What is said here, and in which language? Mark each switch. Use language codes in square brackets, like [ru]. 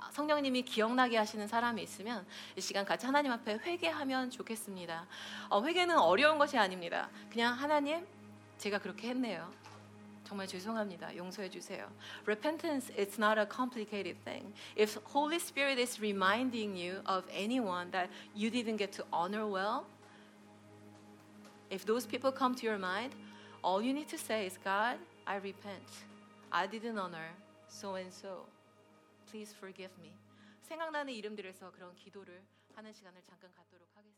[ko] 성령님이 기억나게 하시는 사람이 있으면 이 시간 같이 하나님 앞에 회개하면 좋겠습니다. 회개는 어려운 것이 아닙니다. 그냥 하나님, 제가 그렇게 했네요. 정말 죄송합니다. 용서해 주세요. [en] Repentance is not a complicated thing. If Holy Spirit is reminding you of anyone that you didn't get to honor well, if those people come to your mind, all you need to say is, God, I repent. I didn't honor so and so. Please forgive me. [ko] 생각나는 이름들에서 그런 기도를 하는 시간을 잠깐 갖도록 하겠습니다.